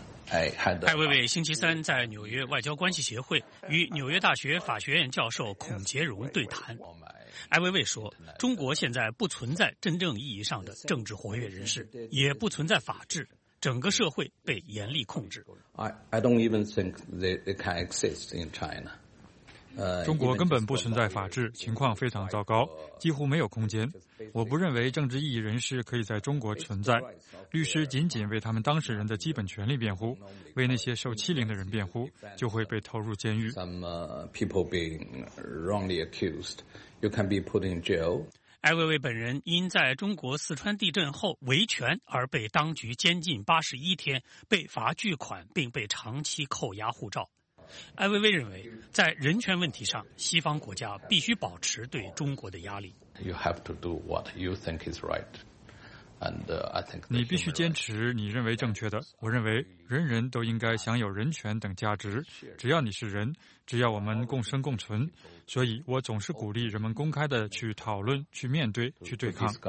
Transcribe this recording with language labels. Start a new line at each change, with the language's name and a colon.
Chinese: 艾未未星期三在纽约外交关系协会与纽约大学法学院教授孔杰荣对谈。艾未未说，中国现在不存在真正意义上的政治活跃人士，也不存在法治，整个社会被严厉控制。
English: I don't even think they can exist in China.
Chinese: 中国根本不存在法治，情况非常糟糕，几乎没有空间。我不认为政治意义人士可以在中国存在。律师仅仅为他们当事人的基本权利辩护，为那些受欺凌的人辩护，就会被投入监狱。
English: Some people being wrongly accused. You can be put in jail.
Chinese: 艾未未本人因在中国四川地震后维权而被当局监禁81天，被罚巨款，并被长期扣押护照。艾未未认为，在人权问题上，西方国家必须保持对中国的压力。
English: You have to do what you think is right, and I think
Chinese: 你必须坚持你认为正确的。我认为人人都应该享有人权等价值，只要你是人，只要我们共生共存。所以我总是鼓励人们公开的去讨论，去面对，去对抗。